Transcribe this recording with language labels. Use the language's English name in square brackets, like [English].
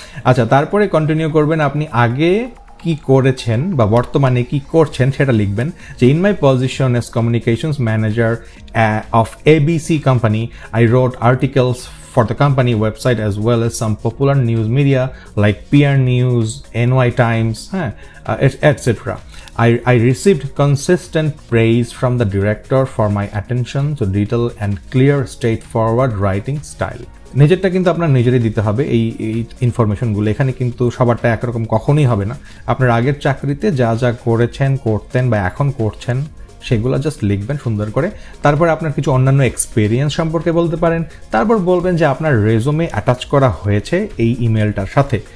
[Bangla] আচ্ছা, তারপরে কন্টিনিউ করবেন, আপনি আগে কী করেছেন বা বর্তমানে কী করছেন সেটা লিখবেন, যে [English] In my position as communications manager of ABC company I wrote articles for the company website as well as some popular news media like PR news, NY times, হ্যাঁ, etcetera. I received consistent praise from the director for my attention to detail and clear straightforward writing style. [Bangla] নিজেরটা কিন্তু আপনার নিজেরই দিতে হবে এই ইনফরমেশনগুলো। এখানে কিন্তু সবারটা একরকম কখনই হবে না। আপনার আগের চাকরিতে যা যা করেছেন, করতেন বা এখন করছেন সেগুলো জাস্ট লিখবেন সুন্দর করে। তারপর আপনার কিছু অন্যান্য এক্সপিরিয়েন্স সম্পর্কে বলতে পারেন, তারপর বলবেন যে আপনার রেজুমে অ্যাটাচ করা হয়েছে এই ইমেলটার সাথে।